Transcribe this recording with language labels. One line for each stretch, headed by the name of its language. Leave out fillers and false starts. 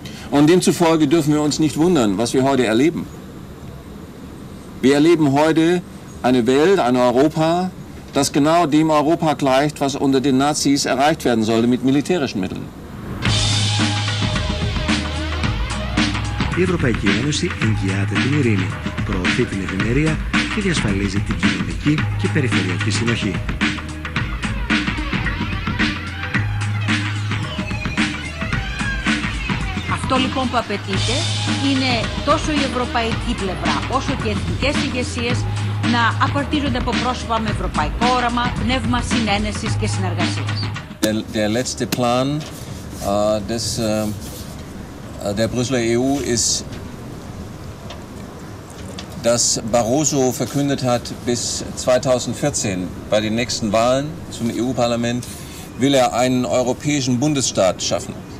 German: Und demzufolge dürfen wir uns nicht wundern, was wir heute erleben. Wir erleben heute eine Welt, ein Europa, das genau dem Europa gleicht, was unter den Nazis erreicht werden sollte mit militärischen Mitteln.
Greek: Η Ευρωπαϊκή Ένωση εγγυάται την ειρήνη, προωθεί την ευημερία και διασφαλίζει την κοινωνική και περιφερειακή συνοχή. Αυτό λοιπόν που απαιτείται είναι τόσο η ευρωπαϊκή πλευρά όσο και οι εθνικές ηγεσίες να απαρτίζονται από πρόσωπα με ευρωπαϊκό όραμα, πνεύμα συνένεσης και συνεργασίας.
German: Der letzte Plan des der Brüsseler EU ist dass Barroso verkündet hat, bis 2014 bei den nächsten Wahlen zum EU-Parlament will er einen europäischen Bundesstaat schaffen.